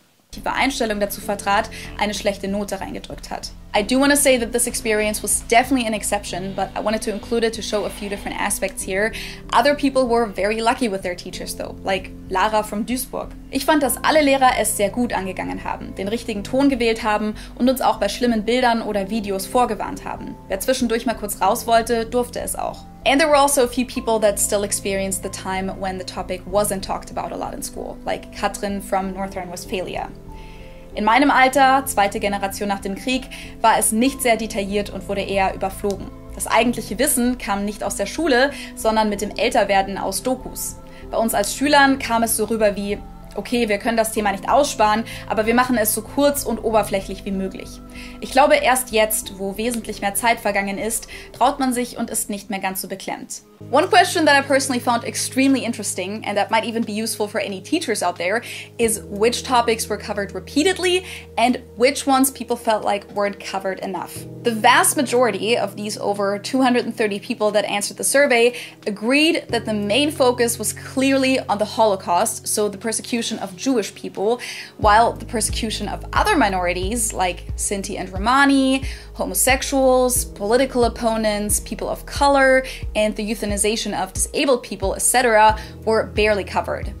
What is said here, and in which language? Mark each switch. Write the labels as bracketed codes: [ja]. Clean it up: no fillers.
[de] Die Einstellung dazu vertrat, eine schlechte Note reingedrückt hat. [en] I do want to say that this experience was definitely an exception, but I wanted to include it to show a few different aspects here. Other people were very lucky with their teachers though, like Lara from Duisburg. [de] Ich fand, dass alle Lehrer es sehr gut angegangen haben, den richtigen Ton gewählt haben und uns auch bei schlimmen Bildern oder Videos vorgewarnt haben. Wer zwischendurch mal kurz raus wollte, durfte es auch. [en] And there were also a few people that still experienced the time when the topic wasn't talked about a lot in school, like Katrin from North Rhine-Westphalia. [de] In meinem Alter, zweite Generation nach dem Krieg, war es nicht sehr detailliert und wurde eher überflogen. Das eigentliche Wissen kam nicht aus der Schule, sondern mit dem Älterwerden aus Dokus. Bei uns als Schülern kam es so rüber wie, okay, wir können das Thema nicht aussparen, aber wir machen es so kurz und oberflächlich wie möglich. Ich glaube, erst jetzt, wo wesentlich mehr Zeit vergangen ist, traut man sich und ist nicht mehr ganz so beklemmt. [en] One question that I personally found extremely interesting and that might even be useful for any teachers out there is which topics were covered repeatedly and which ones people felt like weren't covered enough. The vast majority of these over 230 people that answered the survey agreed that the main focus was clearly on the Holocaust, so the persecution of Jewish people, while the persecution of other minorities like Sinti and Romani, homosexuals, political opponents, people of color, and the euthanization of disabled people, etc., were barely covered.